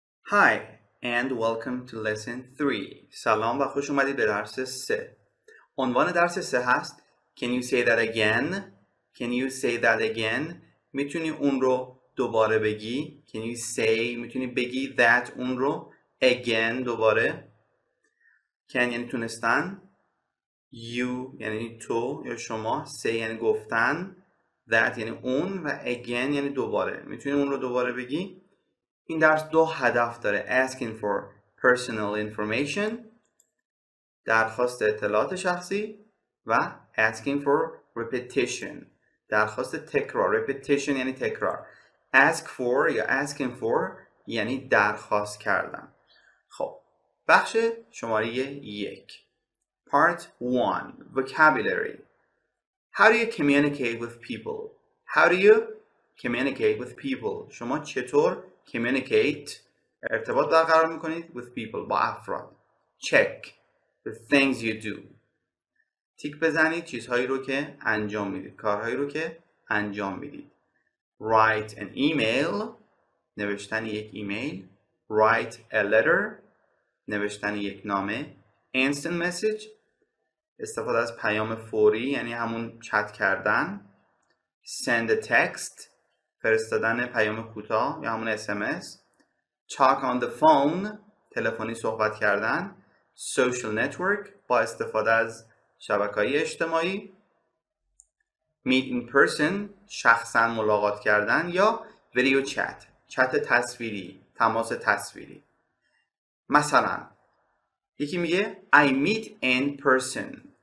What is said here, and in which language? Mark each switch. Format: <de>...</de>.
<en>Hi and welcome to lesson 3.</en> <fa>سلام و خوش اومدید به درس 3. عنوان درس 3 هست</fa> <en>Can you say that again? Can you say that again?</en> <fa>میتونی اون رو دوباره بگی؟</fa> <en>Can you say?</en> <fa>میتونی بگی that اون رو again دوباره؟ Can یعنی تونستن؟ You یعنی تو یا شما؟ Say یعنی گفتن؟ That یعنی اون و again یعنی دوباره. میتونی اون رو دوباره بگی؟ این درس دو هدف داره.</fa> <en>Asking for personal information.</en> <fa>درخواست اطلاعات شخصی.</fa> <en>و asking for repetition.</en> <fa>درخواست تکرار. Repetition یعنی تکرار. Ask for یا asking for یعنی درخواست کردن. خب. بخش شماره 1.</fa> <en>Part 1. Vocabulary. How do you communicate with people? How do you communicate with people?</en> <fa>شما چطور؟ Communicate, ارتباط برقرار میکنید</fa> <en>with people,</en> <fa>با افراد.</fa> <en>Check, the things you do.</en> <fa>تیک بزنید چیزهایی رو که انجام میدید, کارهایی رو که انجام میدید.</fa> <en>Write an email,</en> <fa>نوشتن یک ایمیل.</fa> <en>Write a letter,</en> <fa>نوشتن یک نامه.</fa> <en>Instant message,</en> <fa>استفاده از پیام فوری, یعنی همون چت کردن.</fa> <en>Send a text,</en> <fa>فرستادن پیام کوتاه یا همون SMS.</fa> <en>Talk on the phone,</en> <fa>تلفنی صحبت کردن.</fa> <en>Social network,</en> <fa>با استفاده از شبکه‌های اجتماعی.</fa> <en>Meet in person,</en> <fa>شخصا ملاقات کردن. یا</fa> <en>video chat,</en> <fa>چت تصویری, تماس تصویری. مثلا یکی میگه</fa> <en>I meet in person.</en>